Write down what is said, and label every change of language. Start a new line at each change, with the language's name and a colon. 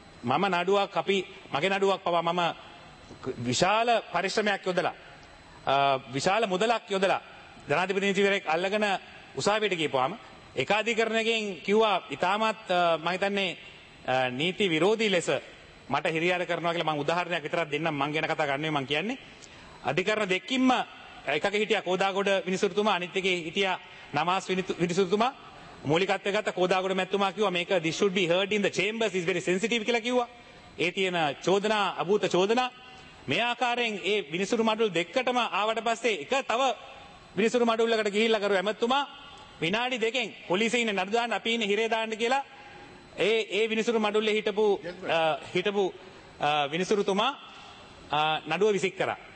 Sinhala: මම නඩුවක් අපි මගේ නඩුවක් පවා මම විශාල පරිශ්‍රමයක් යොදලා විශාල මුදලක් යොදලා ජනාධිපති නීතිවරයෙක් අල්ලගෙන උසාවියට ගියපුවාම ඒකාධිකරණයකින් කිව්වා ඉතාමත් මම හිතන්නේ නීති විරෝධී ලෙස මට හිරියාර කරනවා කියලා. මම උදාහරණයක් විතරක් දෙන්නම්, මං ගැන කතා කරන්නේ මං කියන්නේ. අධිකරණ දෙකින්ම එකක හිටියා කෝදාගොඩ විනිසුරුතුමා, අනිත් එකේ හිටියා නමාස් විනිසුරුතුමා. මූලිකත්වය ගත්ත කෝදාගොඩ මැතිතුමා කිව්වා මේක
English: this should be heard in the chambers is very sensitive
Sinhala: කියලා කිව්වා. ඒ තියෙන චෝදනා, අභූත චෝදනා මේ ආකාරයෙන් ඒ විනිසුරු මඩුල් දෙකටම ආවට පස්සේ එක තව විනිසුරු මඩුල්ලකට ගිහිල්ලා කරු ඇමතුමා විනාඩි දෙකෙන් පොලිසිය ඉන්නේ නඩු දාන්න, අපි ඉන්නේ හිරේ දාන්න කියලා ඒ විනිසුරු මඩුල්ලේ හිටපු විනිසුරුතුමා නඩුව විසික් කරා.